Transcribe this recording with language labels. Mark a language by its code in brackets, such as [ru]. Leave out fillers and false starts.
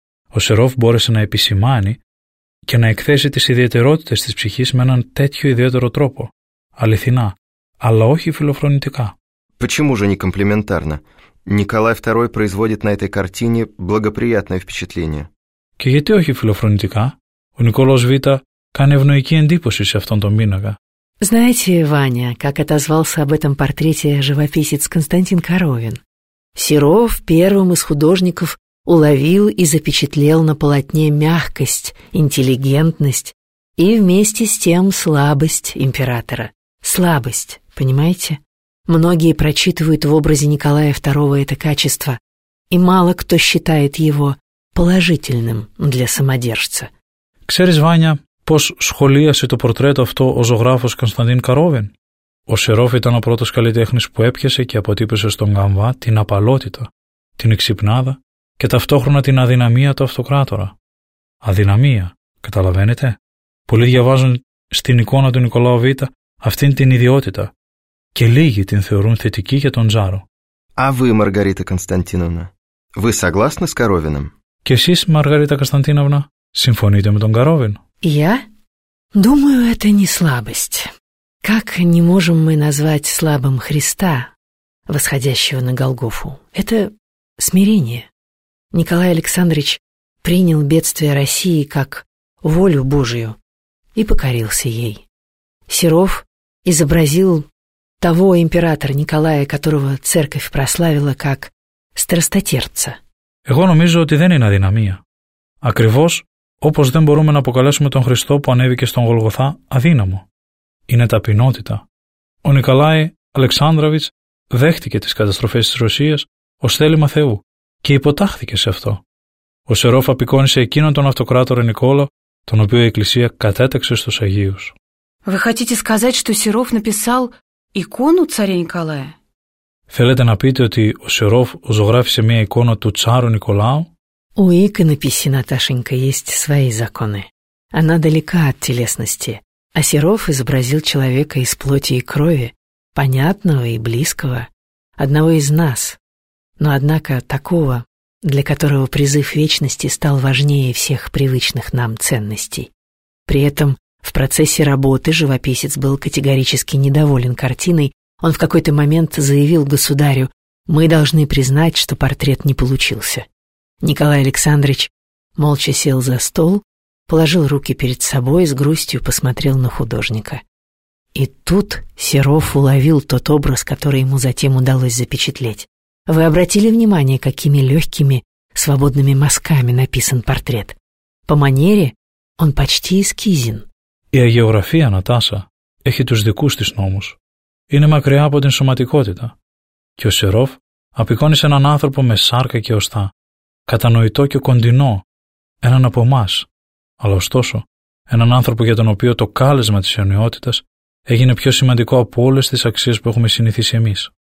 [el] Ο Σερόφ μπόρεσε να επισημάνει και να εκθέσει τις ιδιαιτερότητες της ψυχής με έναν τέτοιο ιδιαίτερο τρόπο. Αληθινά, αλλά όχι φιλοφρονητικά. [ru] Почему же не комплиментарно? Николай II производит на этой картине благоприятное впечатление. [el] Και γιατί όχι φιλοφρονητικά? Ο Νικόλος Β' κάνει ευνοϊκή εντύπωση σε αυτόν τον πίνακα. [ru] Знаете, Ваня, как отозвался об этом портрете живописец Константин Коровин? Серов первым из художников уловил и запечатлел на полотне мягкость, интеллигентность и вместе с тем слабость императора. Слабость, понимаете? Многие прочитывают в образе Николая II это качество, и мало кто считает его положительным для самодержца. [el] Ξέρεις, Ваня, πώς σχολίασε το πορτρέτο αυτό ο ζωγράφος Κωνσταντίν Καρόβιν? Ο Σερόφ ήταν ο πρώτος καλλιτέχνης που έπιασε και αποτύπωσε στον καμβά την απαλότητα, την εξυπνάδα και ταυτόχρονα την αδυναμία του αυτοκράτορα. Αδυναμία, καταλαβαίνετε? Πολλοί διαβάζουν στην εικόνα του Νικολάου Β' αυτήν την ιδιότητα και λίγοι την θεωρούν θετική για τον Τζάρο. [ru] А вы, Маргарита Константиновна, вы согласны с Коровиным? [el] Και εσείς, Маргарита Константиновна, συμφωνείτε με τον Коровин? [ru] Я? Думаю, это не слабость. Как не можем мы назвать слабым Христа, восходящего на Голгофу? Это смирение. Николай Александрович принял бедствие России как волю Божию и покорился ей. Серов изобразил того императора Николая, которого церковь прославила как страстотерца. [el] Εγώ νομίζω ότι δεν είναι αδυναμία. Ακριβώς όπως δεν μπορούμε να αποκαλέσουμε τον Χριστό που ανέβηκε στον Γολγοθά αδύναμο. Είναι ταπεινότητα. Ο Νικολάη Αλεξάνδραβιτς δέχτηκε τις καταστροφές της Ρωσίας ως θέλημα Θεού και υποτάχθηκε σε αυτό. Ο Σερόφ απεικόνισε εκείνον τον αυτοκράτορα Νικόλο, τον οποίο η Εκκλησία κατέταξε στους Αγίους. [ru] Вы хотите сказать, что Серов написал икону царя Николая? [el] Θέλετε να πείτε ότι ο Серов ζωγράφισε μια εικόνα του τσάρου Νικολάου? [ru] У иконописи, Наташенька, есть свои законы. Она далека от телесности. А Серов изобразил человека из плоти и крови, понятного и близкого, одного из нас. Но однако такого, для которого призыв вечности стал важнее всех привычных нам ценностей. При этом в процессе работы живописец был категорически недоволен картиной. Он в какой-то момент заявил государю: «Мы должны признать, что портрет не получился». Николай Александрович молча сел за стол, положил руки перед собой и с грустью посмотрел на художника. И тут Серов уловил тот образ, который ему затем удалось запечатлеть. Вы обратили внимание, какими легкими, свободными мазками написан портрет? По манере он почти эскизен. И агеография, [el] Наташа, έχει τους δικούς της νόμους. Είναι μακριά από την σωματικότητα. Και ο Серов απεικόνισε έναν άνθρωπο με σάρκα και οστά, κατανοητό και κοντινό, έναν από εμάς. Αλλά ωστόσο, έναν άνθρωπο για τον οποίο το κάλεσμα της αιωνιότητας έγινε πιο σημαντικό από όλες τις αξίες που έχουμε συνηθίσει εμείς.